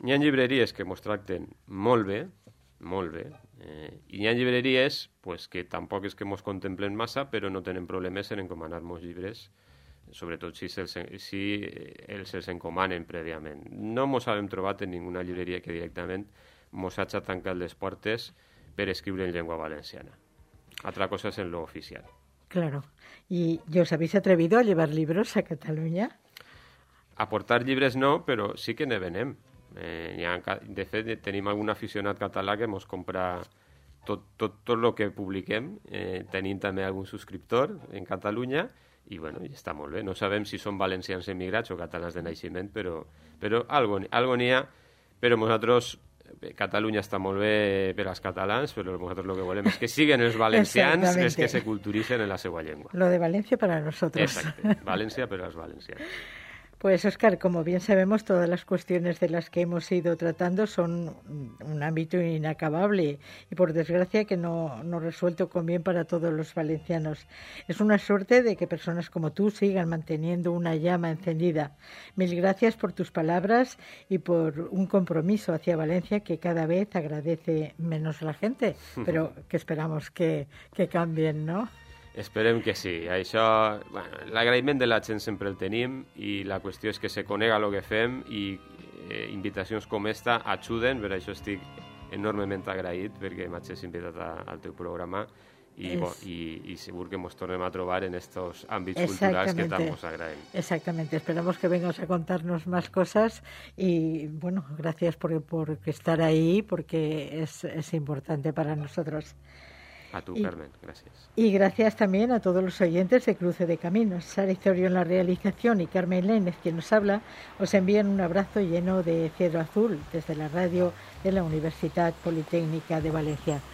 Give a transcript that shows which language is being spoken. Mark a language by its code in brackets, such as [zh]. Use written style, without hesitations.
[ca] Hi ha llibreries que ens tracten molt bé, molt bé, i hi ha llibreries pues, que tampoc és que ens contemplen massa, però no tenen problemes en encomanar-nos llibres, sobretot si els encomanen prèviament. No ens hem trobat en ninguna llibreria que directament ens hagi tancat les portes per escriure en llengua valenciana. Altra cosa és en lo oficial. Claro. [es] ¿Y os habéis atrevido a llevar libros a Cataluña? [ca] A portar llibres no, però sí que ne venem. De fet, tenim algun aficionat català que ens compra tot lo que publiquem. Tenim també algun subscriptor en Catalunya. I bueno, i està molt bé. No sabem si són valencians emigrats o catalans de naixement, però algo n'hi ha. Però nosaltres, Catalunya està molt bé per als catalans, però nosaltres el que volem és que siguin els valencians, és que se culturitzen en la seva llengua. Lo de València per a nosaltres. Exacte, València per als valencians. [es] Pues, Óscar, como bien sabemos, todas las cuestiones de las que hemos ido tratando son un ámbito inacabable y, por desgracia, que no resuelto con bien para todos los valencianos. Es una suerte de que personas como tú sigan manteniendo una llama encendida. Mil gracias por tus palabras y por un compromiso hacia Valencia que cada vez agradece menos la gente, pero que esperamos que cambien, ¿no? [ca] Esperem que sí. Això, bueno, l'agraïment de la gent sempre el tenim i la qüestió és que se conega el que fem i invitacions com esta ajuden, per això estic enormement agraït perquè m'hagis invitat al teu programa i segur que ens tornem a trobar en aquests àmbits culturals que tant ens agraïm. Exactament. [es] Esperamos que vengas a contarnos más cosas y bueno, gracias por estar ahí porque es importante para nosotros. [ca] A tu, Carmen. Gracias. [es] Y gracias también a todos los oyentes de Cruce de Caminos. Sara Isorio en la realización y Carmen Lénez, quien nos habla, os envían un abrazo lleno de cielo azul desde la radio de la Universidad Politécnica de Valencia.